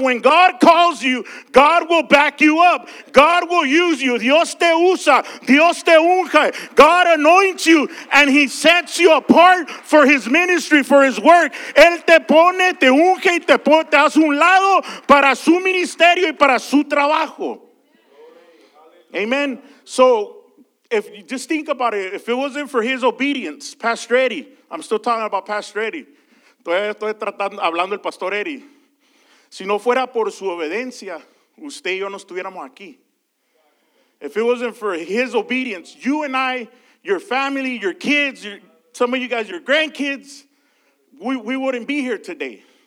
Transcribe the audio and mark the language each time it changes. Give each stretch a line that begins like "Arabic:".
English: When God calls you, God will back you up. God will use you.
Spanish: Dios te usa, Dios te unge.
English: God anoints you and he sets you apart for his ministry, for his work.
Spanish: Él te pone, te unge y te hace un lado para su ministerio y para su trabajo. Amen.
English: So, if you just think about it, if it wasn't for his obedience, Pastor Eddie, I'm still talking about Pastor Eddie.
Spanish: Estoy tratando, hablando del Pastor Eddie. Si no fuera por su obediencia, usted y yo no estuviéramos aquí.
English: If it wasn't for his obedience, you and I, your family, your kids, some of you guys, your grandkids, we wouldn't be here today.